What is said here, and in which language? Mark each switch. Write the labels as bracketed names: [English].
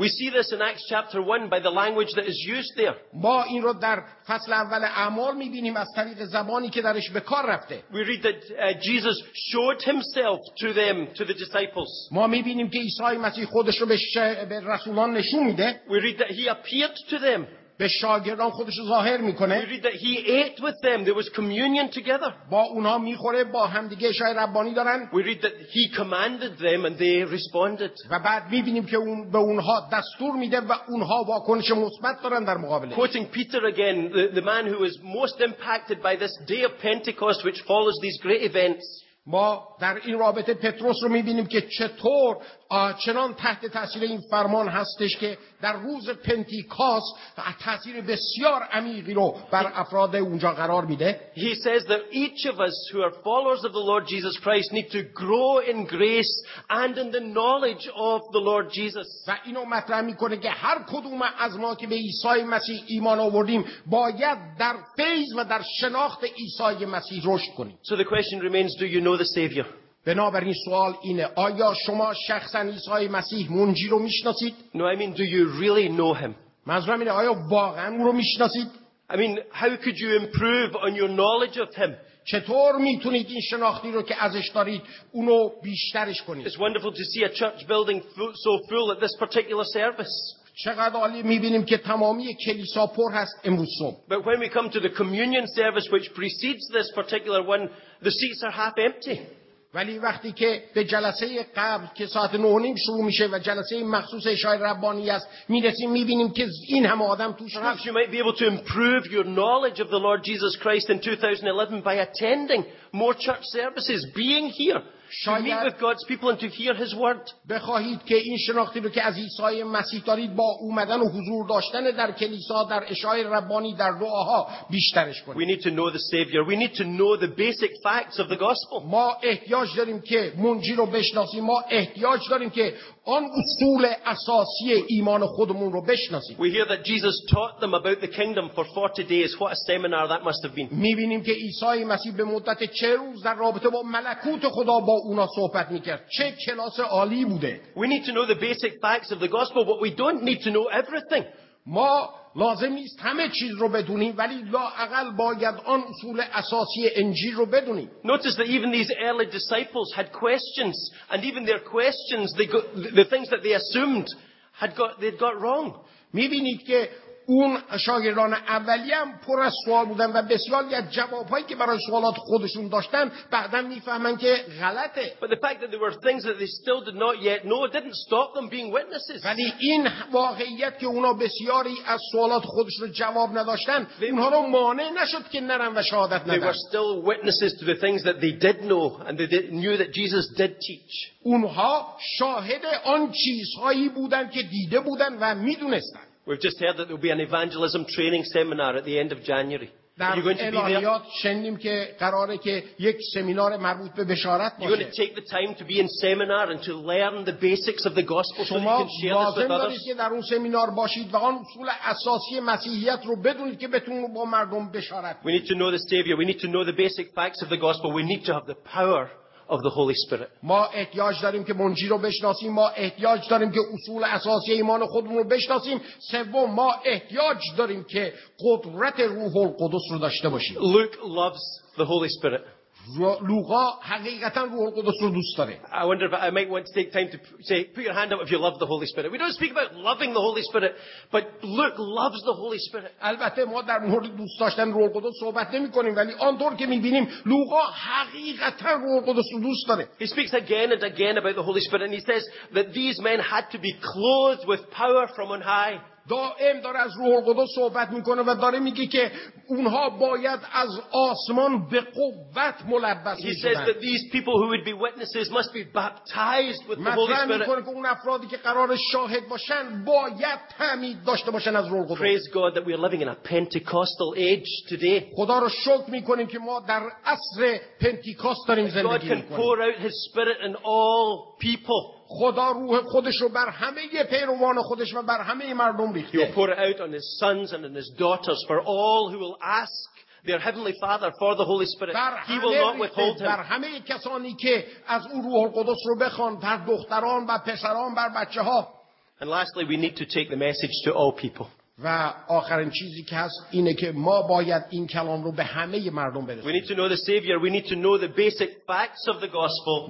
[English] We see this in Acts chapter 1 by the language that is used there. [Persian] ما این رو در فصل اول اعمال میبینیم از طریق زبانی که درش به کار رفته. [English] We read that Jesus showed himself to them, to the disciples. [Persian] ما میبینیم که عیسی مسیح خودش رو به رسولان نشون میده. [English] We read that he appeared to them. [Persian] به شاگردان خودش ظاهر میکنه. [English] We read that he ate with them. There was communion together. [Persian] با اونها میخوره، با همدیگه شای ربانی دارن. [English] We read that he commanded them and they responded. [Persian] و بعد میبینیم که اون به اونها دستور میده و اونها واکنش مثبت دارن در مقابلش. [English] Quoting Peter again, the man who is most impacted by this day of Pentecost which follows these great events. [Persian] ما در این رابطه پتروس رو میبینیم که چطور چنان تحت تاثیر این فرمان هستش که در روز پنتیکاست تاثیر بسیار عمیقی رو بر افراد اونجا قرار میده. [English] He says that each of us who are followers of the Lord Jesus Christ need to grow in grace and in the knowledge of the Lord Jesus. [Persian] و اینو مطرح میکنه که هر کدوم از ما که به عیسی مسیح ایمان آوردیم باید در فیض و در شناخت عیسی مسیح رشد کنیم. [English] So the question remains, do you know the Savior? [Persian] بنابراین سوال اینه، آیا شما شخصا عیسی مسیح منجی رو میشناسید؟ [English] No, I mean, do you really know him? [Persian] منظورم اینه، آیا واقعا اون رو میشناسید؟ [English] I mean, how could you improve on your knowledge of him? [Persian] چطور میتونید این شناختی رو که ازش دارید اونو بیشترش کنید؟ [English] It's wonderful to see a church building so full at this particular service. [Persian] چقدر عالی میبینیم که تمامی کلیسا پر هست امروز صبح. [English] But when we come to the communion service which precedes this particular one, the seats are half empty. [Persian] ولی وقتی که به جلسه قبل که ساعت 9:30 شروع میشه و جلسه مخصوص عشای ربانی است میرسیم، میبینیم که این همه آدم توش نیست. [English] You might be able to improve your knowledge of the Lord Jesus Christ in 2011 by attending more church services, being here. [Persian] شاید [English] to meet with God's people and to hear his word. [Persian] بخواهید که این شناختی رو که از عیسی مسیح دارید با اومدن و حضور داشتن در کلیسا، در عشای ربانی، در دعاها بیشترش کنید. [English] We need to know the Savior. We need to know the basic facts of the gospel. [Persian] ما احتیاج داریم که منجی رو بشناسیم. ما احتیاج داریم که آن اصول اساسی ایمان خودمون رو بشناسیم. [English] We hear that Jesus taught them about the kingdom for 40 days. What a seminar that must have been. [Persian] می‌بینیم که عیسی مسیح به مدت 40 روز در رابطه با ملکوت خدا با اونا صحبت میکرد. چه کلاس عالی بوده. [English] We need to know the basic facts of the gospel, but we don't need to know everything. [Persian] ما لازم نیست همه چیز رو بدونیم، ولی لااقل باید آن اصول اساسی انجیل رو بدونیم. [English] Notice that even these early disciples had questions, and even their questions, they got the things that they assumed had got wrong. [Persian] میبینید که اون شاگردان اولیم پر از سوال بودن و بسیاری از جوابهایی که برای سوالات خودشون داشتن بعداً میفهمن که غلطه. [English] But the fact that there were things that they still did not yet know didn't stop them being witnesses. [Persian] ولی این واقعیت که اونا بسیاری از سوالات خودشون رو جواب نداشتن اونها رو مانع نشد که نرن و شهادت ندن. [English] They were still witnesses to the things that they did know and they knew that Jesus did teach. [Persian] اونها شاهد آن چیزهایی بودن که دیده بودن و میدونستن. [English] We've just heard that there will be an evangelism training seminar at the end of January. Are you going to be there? [Persian] شنیدیم که قراره که یک سمینار مربوط به بشارت باشه. [English] You're going to take the time to be in seminar and to learn the basics of the gospel so that you can share this with others. [Persian] شما لازم دارید که در اون سمینار باشید و آن اصول اساسی مسیحیت رو بدونید که بتونید با مردم بشارت. [English] We need to know the Savior. We need to know the basic facts of the gospel. We need to have the power of the Holy Spirit. [Persian] ما احتیاج داریم که منجی رو بشناسیم، ما احتیاج داریم که اصول اساسی ایمان خودمون رو بشناسیم، سوم ما احتیاج داریم که قدرت روح القدس رو داشته باشیم. [English] Luke loves the Holy Spirit. [Persian] لوقا حقیقتاً روح القدس رو دوست داره. [English] I wonder if I might want to take time to say put your hand up if you love the Holy Spirit. We don't speak about loving the Holy Spirit, but Luke loves the Holy Spirit. [Persian] البته ما در مورد دوست داشتن روح القدس صحبت نمی‌کنیم، ولی آنطور که می‌بینیم لوقا حقیقتاً روح القدس رو دوست داره. [English] He speaks again and again about the Holy Spirit and he says that these men had to be clothed with power from on high. [Persian] دائم داره از روح القدس صحبت میکنه و داره میگه که اونها باید از آسمان به قوت ملبس میشدن. [English] He says that these people who would be witnesses must be baptized with the Holy Spirit. [Persian] مطمئن میکنه که اون افرادی که قرار شاهد باشن باید تعمید داشته باشن از روح القدس. [English] Praise God that we are living in a Pentecostal age today. [Persian] خدا رو شکر میکنیم که ما در عصر پنتیکاست داریم زندگی میکنیم. [English] God can pour out His Spirit in all people. [Persian] خدا روح خودش رو بر همه پیروان خودش و بر همه مردم ریخته. [English] He will pour it out on his sons and on his daughters for all who will ask their heavenly Father for the Holy Spirit. He will not withhold him. [Persian] بر همه کسانی که از او روح القدس رو بخوان، بر دختران و پسران، بر بچه ها. [English] And lastly, we need to take the message to all people. [Persian] و آخرین چیزی که هست اینه که ما باید این کلام رو به همه مردم برسونیم. [English] We need to know the Savior. We need to know the basic facts of the gospel.